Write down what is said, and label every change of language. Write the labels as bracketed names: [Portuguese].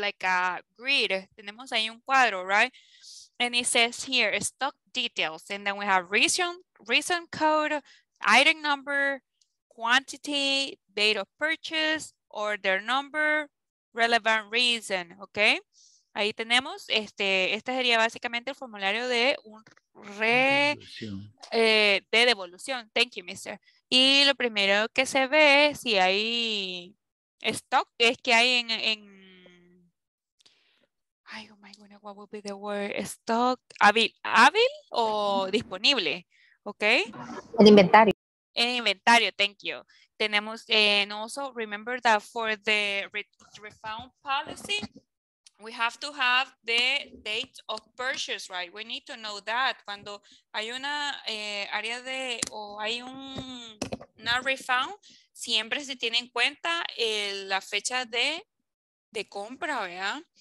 [English] Like a grid. [Spanish] Tenemos ahí un cuadro, [English] right? And it says here, stock details. And then we have reason code, item number, quantity, date of purchase, order number, relevant reason, okay? [Spanish] Ahí tenemos, este sería básicamente el formulario de un de devolución. [English] Thank you, mister. [Spanish] Y lo primero que se ve, si hay stock, es que hay en ay, [English] oh my goodness, what would be the word? [Spanish] Stock, hábil o disponible, okay? El inventario. En inventario, [English] thank you. [Spanish] Tenemos, [English] and also remember that for the refund policy, we have to have the date of purchase, right? We need to know that. [Spanish] Cuando hay una área de, o hay una refund, siempre se tiene en cuenta la fecha de compra, ¿verdad?